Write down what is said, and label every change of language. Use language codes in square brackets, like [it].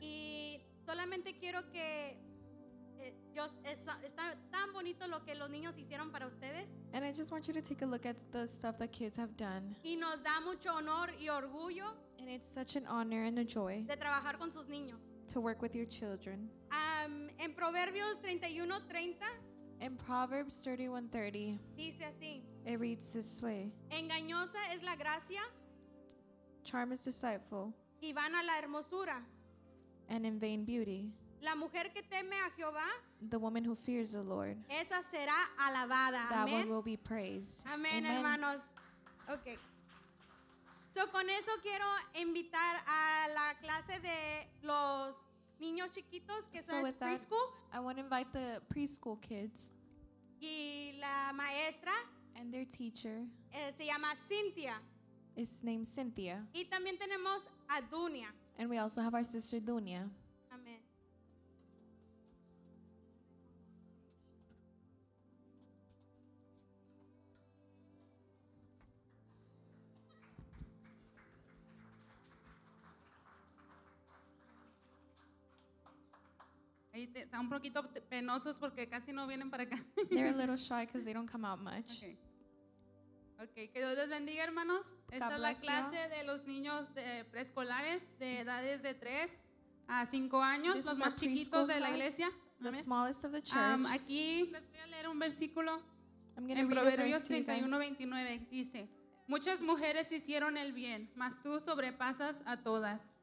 [es] Y solamente quiero que yo está tan bonito lo que los niños hicieron para ustedes. [en] And I just want you to take a look at the stuff that kids have done. [es] Y nos da mucho honor y orgullo. [en] And it's such an honor and a joy. [es] De trabajar con sus niños. [en] To work with your children. [es] En Proverbios 31:30. [en] In Proverbs 31:30, [es] dice así, [en] it reads this way. [es] Engañosa es la gracia. [en] Charm is deceitful. [es] Y vana la hermosura. [en] And in vain beauty. [es] La mujer que teme a Jehová, [en] the woman who fears the Lord. [es] Esa será alabada. [en] That [es] amen. [en] One will be praised. [es] Amen, amen, hermanos. Okay. So con eso quiero invitar a la clase de los niños chiquitos que [en] so [es] son preschool. [en] That, I want to invite the preschool kids. [es] Y la maestra. [en] And their teacher. [es] Se llama Cynthia. [en] Is named Cynthia. [es] Y también tenemos a Dunia. [en] And we also have our sister Dunia. [es] Amen. Están un poquito penosos porque casi no vienen para acá. [en] They're a little shy because they don't come out much. [es] Okay. Que Dios les bendiga, hermanos. Esta es la clase de los niños de preescolares de edades de 3 a 5 años, los más chiquitos de la iglesia. [en] The smallest of the church. [es] Aquí les voy a leer un versículo en Proverbios 31:29. Dice, muchas mujeres hicieron el bien, mas tú sobrepasas a todas.